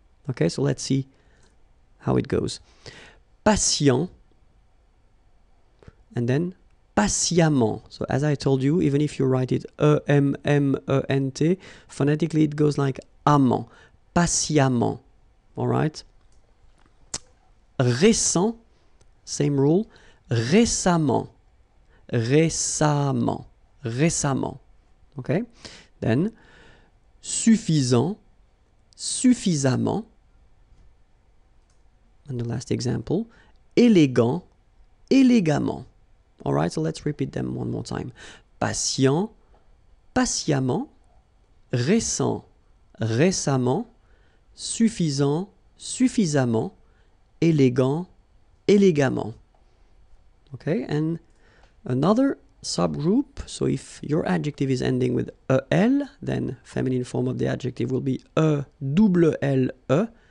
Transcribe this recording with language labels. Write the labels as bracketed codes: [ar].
[en] Okay, so let's see how it goes. Patient, and then [fr] patiemment. [en] So as I told you, even if you write it E-M-M-E-N-T, phonetically it goes like [fr] amant, patiemment, [en] all right? [fr] Récent, [en] same rule, [fr] récemment, récemment, récemment, okay? Then, suffisant, suffisamment. [en] And the last example, [fr] élégant, élégamment. [en] All right, so let's repeat them one more time. [fr] Patient, patiemment. Récent, récemment. Suffisant, suffisamment. Élégant, élégamment. [en] Okay, and another subgroup. So if your adjective is ending with EL, then feminine form of the adjective will be E, double L, E.